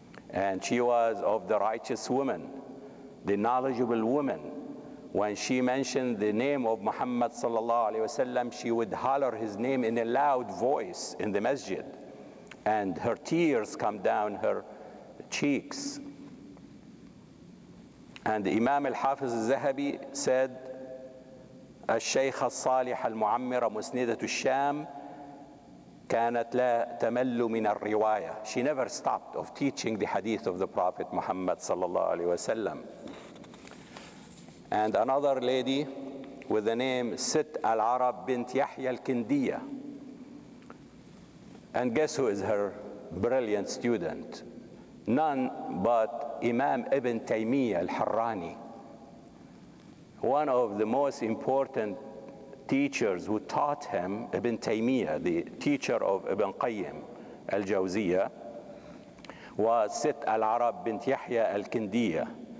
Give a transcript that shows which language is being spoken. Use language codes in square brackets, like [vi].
[en] And she was of the righteous woman, the knowledgeable woman. When she mentioned the name of Muhammad sallallahu alaihi wasallam, she would holler his name in a loud voice in the masjid, and her tears come down her cheeks. And Imam al-Hafiz al-Zahabi said, [ar] الشيخ الصالح المعمرة مسندة الشام كانت لا تمل من الرواية. [en] She never stopped of teaching the hadith of the Prophet Muhammad sallallahu alaihi wasallam. And another lady with the name Sitt al-Arab bint Yahya al-Kindiya. And guess who is her brilliant student? None but Imam Ibn Taymiyyah al-Harrani, one of the most important teachers who taught him, Ibn Taymiyyah, the teacher of Ibn Qayyim al-Jawziyya, was Sitt al-Arab bint Yahya al-Kindiya.